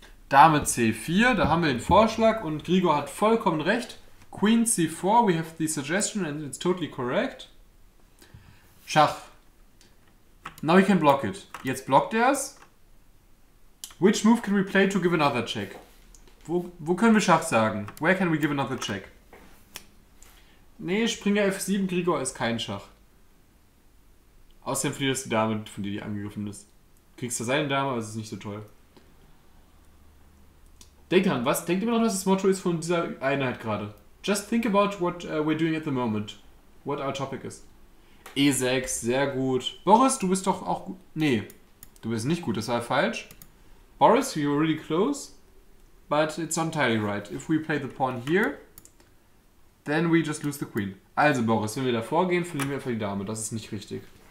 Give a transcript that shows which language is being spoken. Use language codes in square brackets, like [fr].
[de] Dame C4, da haben wir den Vorschlag und Gregor hat vollkommen recht. [en] Queen C4, we have the suggestion and it's totally correct. Schach. Now we can block it. [de] Jetzt blockt er es. [en] Which move can we play to give another check? [de] Wo können wir Schach sagen? [en] Where can we give another check? [de] Nee, Springer F7, Gregor ist kein Schach. Außerdem verlierst du die Dame, von dir die angegriffen ist. Kriegst du da seine Dame, aber es ist nicht so toll. Denkt dran, was denkt ihr noch, was das Motto ist von dieser Einheit gerade? [en] Just think about what we're doing at the moment. What our topic is. [de] E6, sehr gut. Boris, du bist doch auch gut. Nee, du bist nicht gut, das war falsch. Boris, [en] you were really close. But it's not entirely right. If we play the pawn here, then we just lose the queen. [de] Also, Boris, wenn wir da vorgehen, verlieren wir einfach die Dame. Das ist nicht richtig.